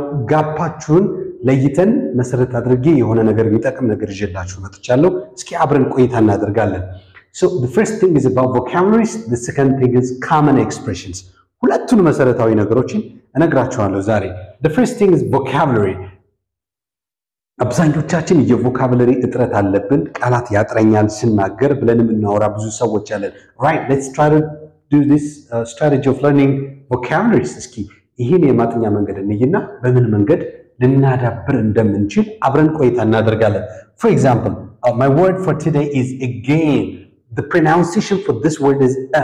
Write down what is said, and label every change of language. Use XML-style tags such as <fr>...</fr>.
<am>ጋፓችሁን ለይተን መሰረት አድርጌ የሆነ ነገር የሚጠቅም ነገር ይዤላችሁ መጥቻለሁ። እስኪ አብረን ቆይታ እናደርጋለን።</am> <en>So the first thing is about vocabularies. The second thing is common expressions.</en> <am>ሁለቱን መሰረታዊ ነገሮችን እነግራችኋለሁ ዛሬ።</am> <en>The first thing is vocabulary.</en> <am>አብዛኞቻችን የቮካብለሪ እጥረት አለብን ቃላት ያጥረኛል ስናገር ብለን እናወራ ብዙ ሰዎች አለን</am> <en>right let's try to do this strategy of learning vocabularies</en> <am>እስኪ ይሄን የማጥኛ መንገድ እንይና በምን መንገድ ልናዳብር እንደምንችል አብረን ቆይታ እናደርጋለን</am> <en>for example my word for today is again the pronunciation for this word is</en>